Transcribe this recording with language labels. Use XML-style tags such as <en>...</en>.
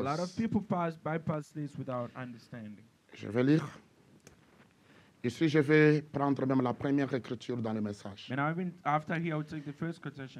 <en>A lot of people pass bypass this without understanding.</en> <fr>Je vais lire. Ici, je vais prendre même la première écriture dans le message.</fr> <en>And I mean, after here, I will take the first quotation.</en>